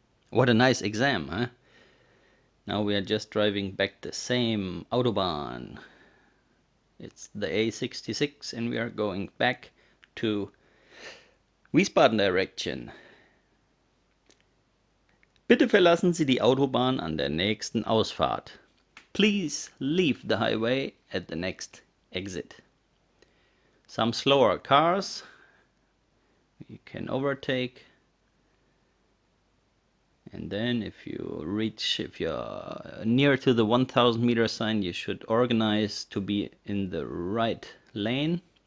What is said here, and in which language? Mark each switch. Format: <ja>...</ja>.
<en>What a nice exam, huh? Now we are just driving back the same Autobahn. It's the A66 and we are going back to Wiesbaden direction.</en> <de>Bitte verlassen Sie die Autobahn an der nächsten Ausfahrt.</de> <en>Please leave the highway at the next exit. Some slower cars. You can overtake. And then if you're near to the 1000 meter sign, you should organize to be in the right lane.</en>